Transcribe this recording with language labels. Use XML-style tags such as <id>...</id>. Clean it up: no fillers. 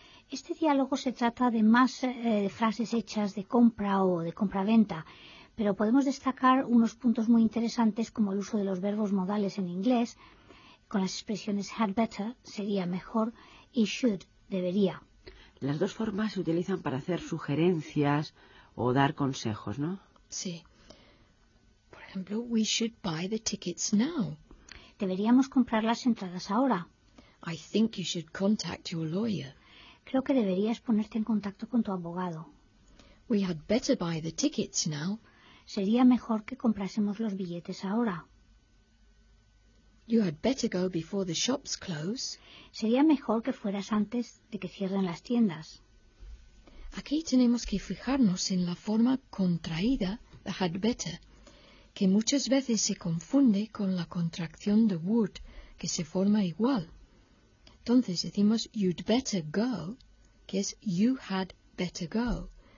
<es>Este diálogo se trata de más de frases hechas de compra o de compra-venta, pero podemos destacar unos puntos muy interesantes como el uso de los verbos modales en inglés, con las expresiones had better, sería mejor, y should, debería. Las dos formas se utilizan para hacer sugerencias o dar consejos, ¿no? Sí. Por ejemplo,</es> <en>we should buy the tickets now.</en> <es>Deberíamos comprar las entradas ahora.</es> <en>I think you should contact your lawyer.</en> <es>Creo que deberías ponerte en contacto con tu abogado.</es> <en>We had better buy the tickets now.</en> <es>Sería mejor que comprásemos los billetes ahora.</es> <en>You had better go before the shops close.</en> <es>Sería mejor que fueras antes de que cierren las tiendas. Aquí tenemos que fijarnos en la forma contraída de had better, que muchas veces se confunde con la contracción de would, que se forma igual. Entonces decimos</es> <en>you'd better go,</en> <es>que es</es> <en>you had better go.</en>